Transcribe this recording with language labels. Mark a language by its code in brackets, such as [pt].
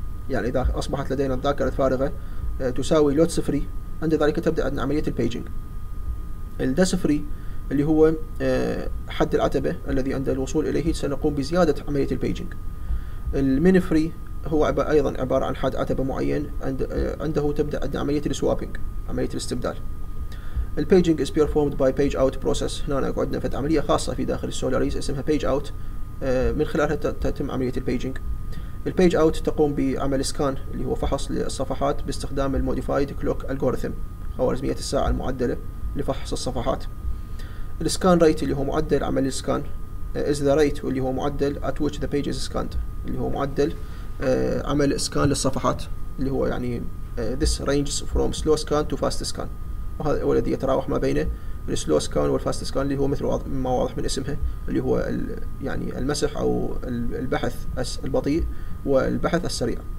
[ar] يعني إذا أصبحت لدينا الذاكرة الفارغة تساوي لوتس فري، عند ذلك تبدأ عملية البيجينج. الديس فري اللي هو حد العتبة الذي عند الوصول إليه سنقوم بزيادة عملية البيجينج. المين فري هو أيضا عبارة عن حد عتبة معين عنده تبدأ عملية السوابينج، عملية الاستبدال. [en] البيجينج is performed by page out process. [ar] هنا نقعد نفد عملية خاصة في داخل السولاريز اسمها page out، من خلالها تتم عملية البيجينج. البيج out تقوم بعمل سكان اللي هو فحص للصفحات باستخدام الموديفايد كلوك algorithm، خوارزمية الساعة المعدلة لفحص الصفحات. السكان ريت اللي هو معدل عمل السكان [en] is the rate [ar] اللي هو معدل [en] at which the page is scanned، [ar] اللي هو معدل عمل سكان للصفحات، اللي هو يعني [en] this ranges from slow scan to fast scan، [ar] وهذا هو الذي يتراوح ما بين السلو سكان والفاست سكان، اللي هو مثل ما واضح من اسمها اللي هو يعني المسح او البحث البطيء والبحث السريع.